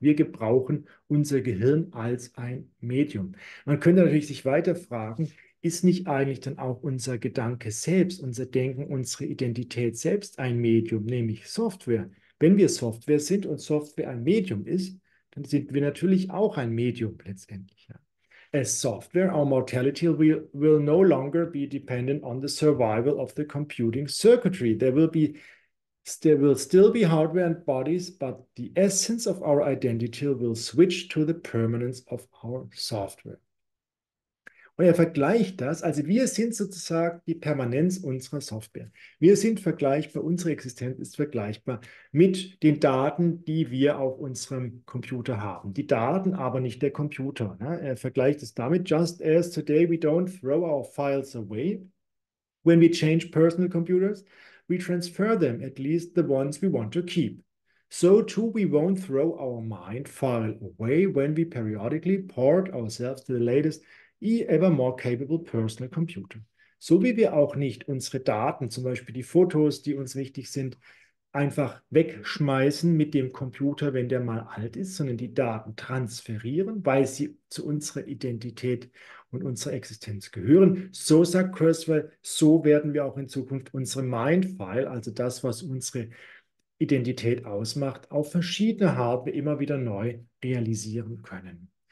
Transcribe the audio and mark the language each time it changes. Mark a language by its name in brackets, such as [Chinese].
[German] Wir gebrauchen unser Gehirn als ein Medium. Man könnte natürlich sich weiter fragen, ist nicht eigentlich dann auch unser Gedanke selbst, unser Denken, unsere Identität selbst ein Medium, nämlich Software? Wenn wir Software sind und Software ein Medium ist, dann sind wir natürlich auch ein Medium letztendlich. [English] As software, our mortality will no longer be dependent on the survival of the computing circuitry. There will still be hardware and bodies, but the essence of our identity will switch to the permanence of our software. [German] Und er vergleicht das, also wir sind sozusagen die Permanenz unserer Software. Wir sind vergleichbar, unsere Existenz ist vergleichbar mit den Daten, die wir auf unserem Computer haben. Die Daten, aber nicht der Computer. Ja, er vergleicht es damit, [English] just as today we don't throw our files away, when we change personal computers, we transfer them, at least the ones we want to keep. So too we won't throw our mind file away, when we periodically port ourselves to the latest ever more capable personal computer. [German] So wie wir auch nicht unsere Daten, zum Beispiel die Fotos, die uns wichtig sind, einfach wegschmeißen mit dem Computer, wenn der mal alt ist, sondern die Daten transferieren, weil sie zu unserer Identität und unserer Existenz gehören. So sagt Kurzweil, so werden wir auch in Zukunft unsere Mindfile, also das, was unsere Identität ausmacht, auf verschiedene Hardware immer wieder neu realisieren können.